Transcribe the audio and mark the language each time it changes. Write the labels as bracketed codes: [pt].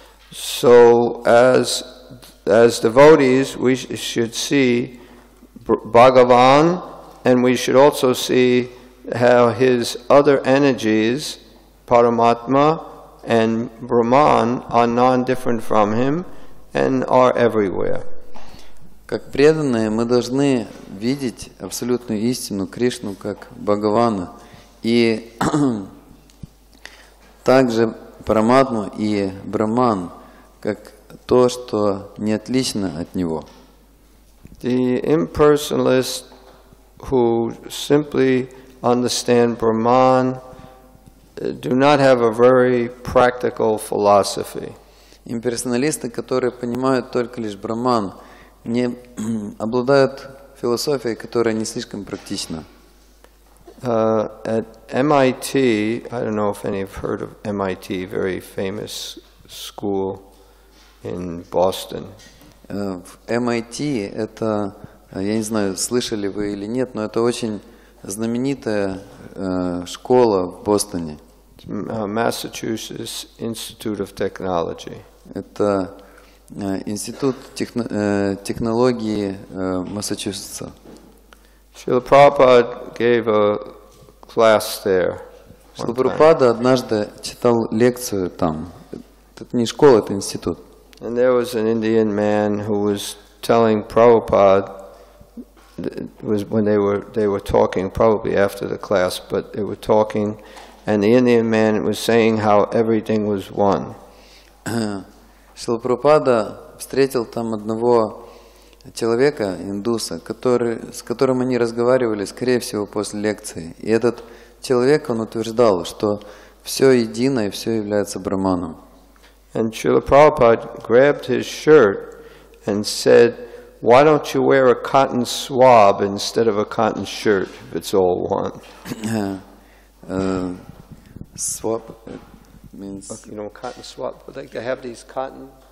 [en] So as devotees, we should see Bhagavan, and we should also see how his other energies, Paramatma and Brahman, are non-different from him and are everywhere. [ru] Как преданные, мы должны видеть абсолютную истину Кришну как Бхагавана и также Параматму и Брахман как то, что не отлично от него. [en] The impersonalist who simply understand Brahman do not have a very practical philosophy. [ru] Имперсоналисты, которые понимают только лишь Брахман, не обладают философией, которая не слишком практична. [en] At MIT, I don't know if any have heard of MIT, very famous school in Boston. [ru] В MIT это, я не знаю, слышали вы или нет, но это очень знаменитая школа в Бостоне. [en] Massachusetts Institute of Technology. [ru] Это Институт технологии Массачусетса. [en] Шрила Прабхупада gave a class there. [ru] Шрила Прабхупада однажды читал лекцию там. Это не школа, это институт. [en] And there was an Indian man who was telling Prabhupada, was when they were talking, probably after the class, but they were talking, and the Indian man was saying how everything was one. [ru] Шрила Прабхупада встретил там одного человека, индуса, который, с которым они разговаривали, скорее всего, после лекции. И этот человек, он утверждал, что все едино и все является Брахманом. [en] And Srila Prabhupada grabbed his shirt and said, why don't you wear a cotton swab instead of a cotton shirt if it's all one? Swab means... You know, cotton swab. They have these cotton...